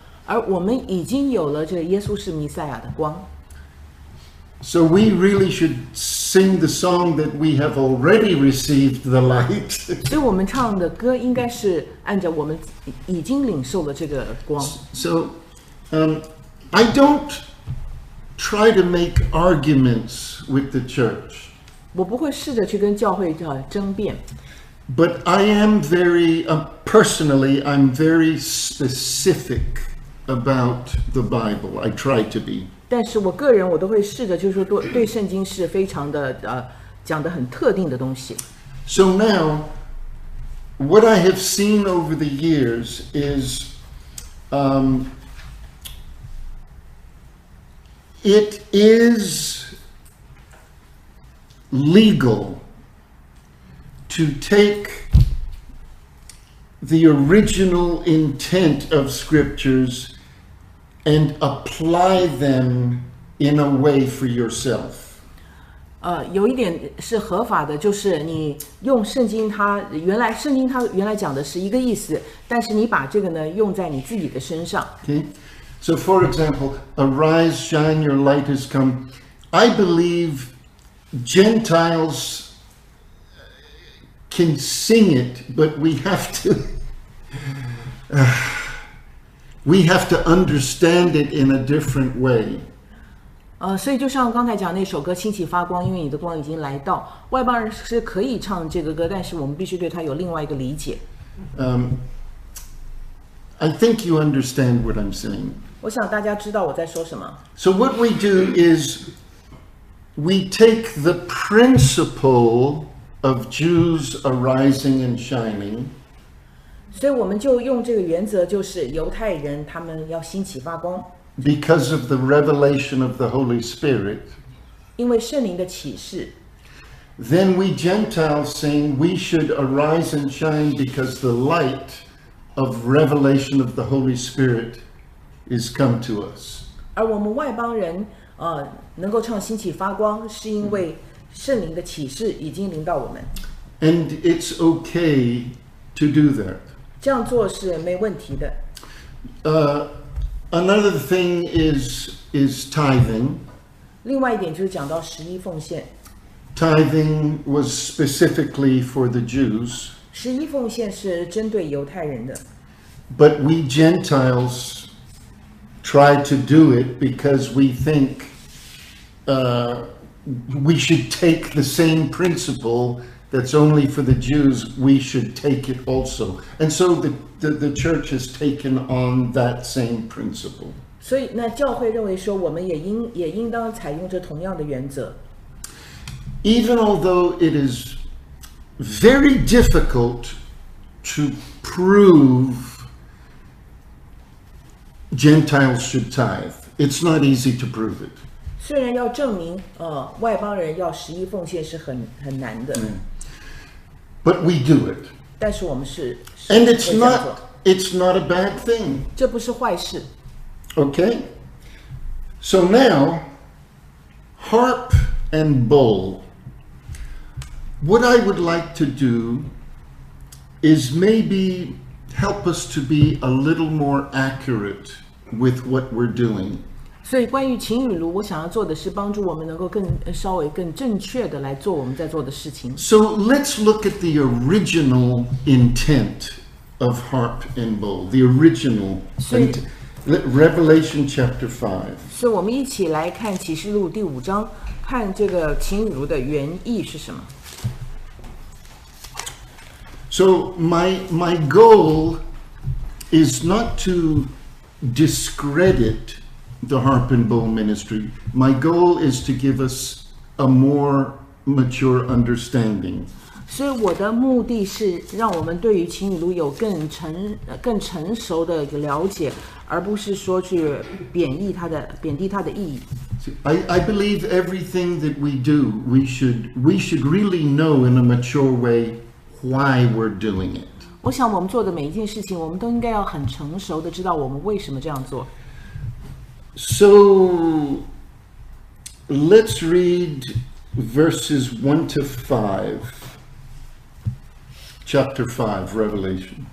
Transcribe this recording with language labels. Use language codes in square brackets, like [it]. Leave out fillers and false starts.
[zh] 而我们已经有了这耶稣是弥赛亚的光。 [en] So we really should sing the song that we have already received the light. [zh] 所以我们唱的歌应该是按照我们已经领受了这个光。 [en] So, I don't try to make arguments with the church. [zh] 我不会试着去跟教会争辩。 [en] But I am very, personally, I'm very specific about the Bible. I try to be. [zh] 但是我个人我都会试着就是说对圣经是非常的讲的很特定的东西。 [en] So now, what I have seen over the years is, it is legal to take the original intent of scriptures. And apply them in a way for yourself. [zh] 有一点是合法的，就是你用圣经它，圣经它原来讲的是一个意思，但是你把这个呢，用在你自己的身上。 [en] Okay. So for example, arise, shine, your light has come. I believe Gentiles can sing it, but we have to... We have to understand it in a different way. [zh] 所以就像刚才讲那首歌《兴起发光》，因为你的光已经来到，外邦人是可以唱这个歌，但是我们必须对它有另外一个理解。 [en] I think you understand what I'm saying. [zh] 我想大家知道我在说什么。 [en] So what we do is we take the principle of Jews arising and shining. [zh] 所以我们就用这个原则，就是犹太人他们要兴起发光。 [en] Because of the revelation of the Holy Spirit. [zh] 因为圣灵的启示。 [en] Then we Gentiles sing, we should arise and shine because the light of revelation of the Holy Spirit is come to us. [zh] 而我们外邦人，能够唱兴起发光，是因为圣灵的启示已经临到我们。 [en] And it's okay to do that. [zh] 这样做是没问题的。 [en] Another thing is tithing. [zh] 另外一点就是讲到十一奉献。 [en] Tithing was specifically for the Jews. [zh] 十一奉献是针对犹太人的。 [en] But we Gentiles try to do it because we think we should take the same principle. That's only for the Jews, we should take it also. And so the church has taken on that same principle. [zh] 所以那教会认为说我们也应当采用这同样的原则。 [en] Even although it is very difficult to prove Gentiles should tithe, it's not easy to prove it. [zh] 虽然要证明外邦人要十一奉献是很难的。 [en] But we do it. [zh] 但是我们是 [en] And it's not a bad thing. [zh] 这不是坏事。 [en] Okay. So now, harp and bowl. What I would like to do is maybe help us to be a little more accurate with what we're doing. [zh] 所以关于琴与炉，我想要做的是帮助我们能够稍微更正确的来做我们在做的事情。 [en] So let's look at the original intent of harp and bowl. The original intent. Revelation chapter 5. [zh] 所以我们一起来看启示录第五章，看这个琴与炉的原意是什么。 [en] So my goal is not to discredit the Harp and Bowl ministry. My goal is to give us a more mature understanding. [zh] 所以我的目的是让我们对于情侣录有更成熟的一个了解，而不是说去贬低它的意义。 [en] I believe everything that we do, we should really know in a mature way why we're doing it. [zh] 我想我们做的每一件事情，我们都应该要很成熟的知道我们为什么这样做。 [en] So, let's read verses 1-5, chapter 5, Revelation.